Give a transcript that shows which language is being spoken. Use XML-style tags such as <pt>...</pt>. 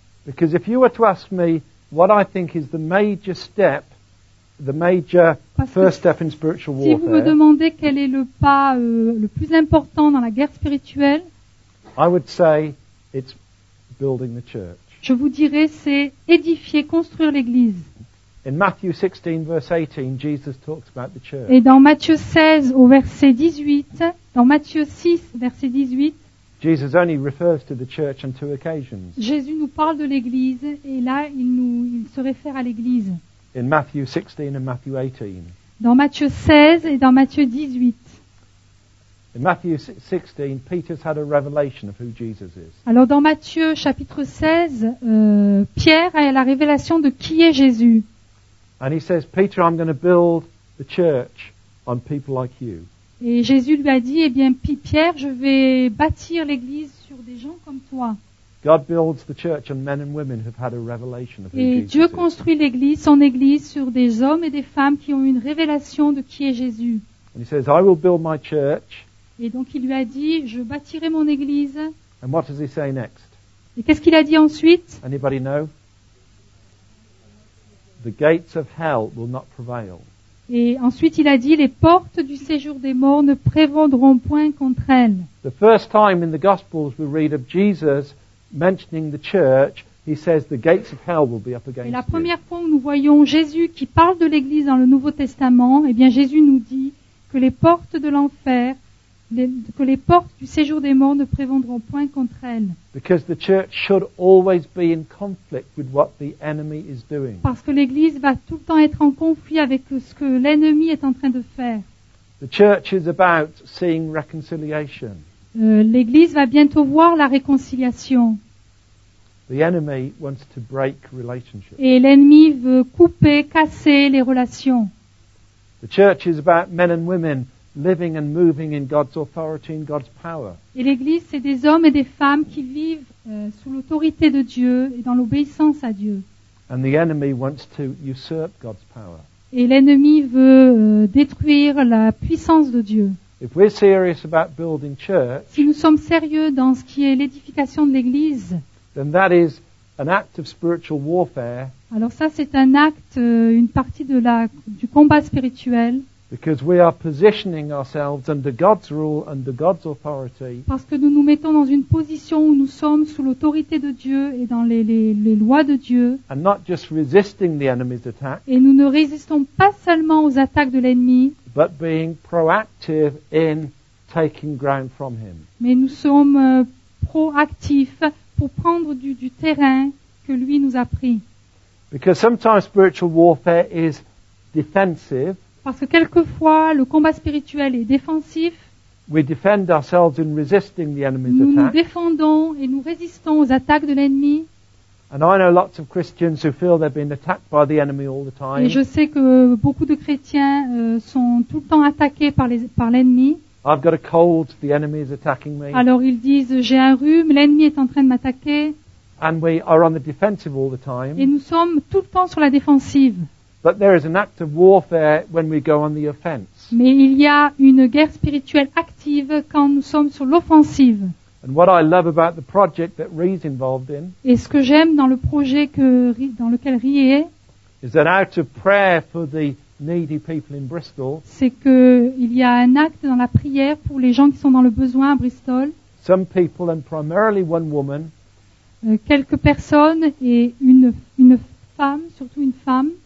<en>Because if you were to ask me what I think is the major step, the major first step in spiritual warfare.</en> <fr>Si vous me demandez quel est le pas le plus important dans la guerre spirituelle,</fr> <en>I would say it's building the church.</en> <fr>Je vous dirais c'est édifier, construire l'Église.</fr> <en>In Matthew 16, verse 18, Jesus talks about the church.</en> <fr>Et dans Matthieu 16, au verset 18, dans Matthieu 6, verset 18,</fr> <en>Jesus only refers to the church on two occasions.</en> <fr>Jésus nous parle de l'Église et là il se réfère à l'Église.</fr> <en>In Matthew 16 and Matthew 18.</en> <fr>Dans Matthieu 16 et dans Matthieu 18.</fr> <en>In Matthew 16, Peter's had a revelation of who Jesus is.</en> <fr>Alors dans Matthieu chapitre 16, Pierre a la révélation de qui est Jésus.</fr> <en>And he says, Peter, I'm going to build the church on people like you.</en> <fr>Et Jésus lui a dit, eh bien, Pierre, je vais bâtir l'Église sur des gens comme toi.</fr> <en>God builds the church on men and women who've had a revelation of who Jesus is.</en> <fr>Et Dieu construit l'Église, son Église, sur des hommes et des femmes qui ont une révélation de qui est Jésus.</fr> <en>And he says, I will build my church.</en> <fr>Et donc il lui a dit, je bâtirai mon Église.</fr> <en>And what does he say next?</en> <fr>Et qu'est-ce qu'il a dit ensuite?</fr> <en>Anybody know? The gates of hell will not prevail.</en> <fr>Et ensuite, il a dit, les portes du séjour des morts ne prévaudront point contre elles.</fr> <en>The first time in the Gospels we read of Jesus mentioning the church, he says the gates of hell will be up against it.</en> <fr>Et la première fois où nous voyons Jésus qui parle de l'Église dans le Nouveau Testament, eh bien Jésus nous dit que les portes de l'enfer, que les portes du séjour des morts ne prévaudront point contre elles.</fr> <en>Because the church should always be in conflict with what the enemy is doing.</en> <fr>Parce que l'Église va tout le temps être en conflit avec ce que l'ennemi est en train de faire.</fr> <en>The church is about seeing reconciliation.</en> <fr>L'Église va bientôt voir la réconciliation.</fr> <en>The enemy wants to break relationships.</en> <fr>Et l'ennemi veut couper, casser les relations.</fr> <en>The church is about men and women living and moving in God's authority and God's power.</en> <fr>Et l'Église, c'est des hommes et des femmes qui vivent sous l'autorité de Dieu et dans l'obéissance à Dieu.</fr> <en>And the enemy wants to usurp God's power.</en> <fr>Et l'ennemi veut détruire la puissance de Dieu.</fr> <en>If we're serious about building church,</en> <fr>si nous sommes sérieux dans ce qui est l'édification de l'Église,</fr> <en>then that is an act of spiritual warfare.</en> <fr>Alors ça, c'est un acte, une partie de du combat spirituel.</fr> <en>Because we are positioning ourselves under God's rule, under God's authority.</en> <fr>Parce que nous nous mettons dans une position où nous sommes sous l'autorité de Dieu et dans les lois de Dieu.</fr> <en>And not just resisting the enemy's attack.</en> <fr>Et nous ne résistons pas seulement aux attaques de l'ennemi.</fr> <en>But being proactive in taking ground from him.</en> <fr>Mais nous sommes proactifs pour prendre du terrain que lui nous a pris.</fr> <en>Because sometimes spiritual warfare is defensive.</en> <fr>Parce que quelquefois, le combat spirituel est défensif.</fr> <en>We defend ourselves in resisting the enemy's attack.</en> <fr>Nous nous défendons et nous résistons aux attaques de l'ennemi.</fr> <en>And I know lots of Christians who feel they've been attacked by the enemy all the time.</en> <fr>Et je sais que beaucoup de chrétiens sont tout le temps attaqués par l'ennemi.</fr> <en>I've got a cold, the enemy is attacking me.</en> <fr>Alors ils disent, j'ai un rhume, l'ennemi est en train de m'attaquer.</fr> <en>And we are on the defensive all the time.</en> <fr>Et nous sommes tout le temps sur la défensive.</fr> <en>But there is an act of warfare when we go on the offense.</en> <fr>Mais il y a une guerre spirituelle active quand nous sommes sur l'offensive.</fr> <en>And what I love about the project that Rhys involved in.</en> <fr>Et ce que j'aime dans le projet dans lequel Rhys est.</fr> <en>Is that out of prayer for the needy people in Bristol.</en> <fr>C'est que il y a un acte dans la prière pour les gens qui sont dans le besoin à Bristol.</fr> <en>Some people and primarily one woman.</en> <fr>Quelques personnes et une femme, surtout une femme.</fr>